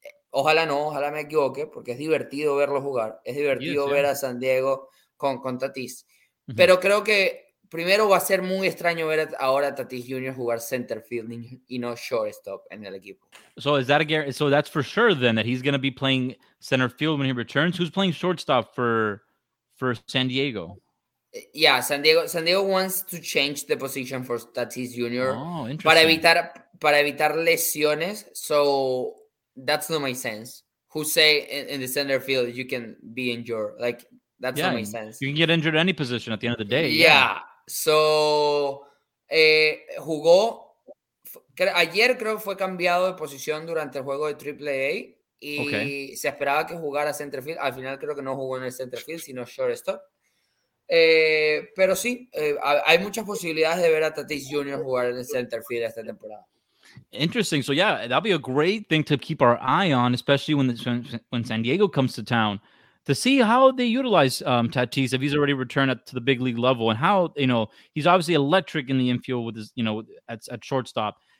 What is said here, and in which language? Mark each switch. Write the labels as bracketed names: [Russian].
[Spanish] Ojalá no, ojalá me equivoque, porque es divertido verlo jugar. Es divertido ver a San Diego con Tatis. Pero creo que primero va a ser muy extraño ver ahora a Tatis Jr. jugar center fielding y no shortstop en el equipo. [English] So is that so that's for sure then that he's going to be playing center field when he returns? Who's playing shortstop for San Diego? Yeah, San Diego wants to change the position for Tatis Jr. [Spanish] Para evitar lesiones. [English] So that's not my sense. Who say in the center field you can be injured? Like, that's not my sense. You can get injured any position at the end of the day. Yeah. [Spanish] So, jugó, ayer creo que fue cambiado de posición durante el juego de Triple A y se esperaba que jugara center field. Al final creo que no jugó en el center field, sino shortstop. Pero sí, hay muchas posibilidades de ver a Tatis Jr. jugar en el center field esta temporada. [English] Interesting. So yeah, that'll be a great thing to keep our eye on, especially when San Diego comes to town, to see how they utilize Tatis, if he's already returned to the big league level, and how, you know, he's obviously electric in the infield with his, you know, at shortstop.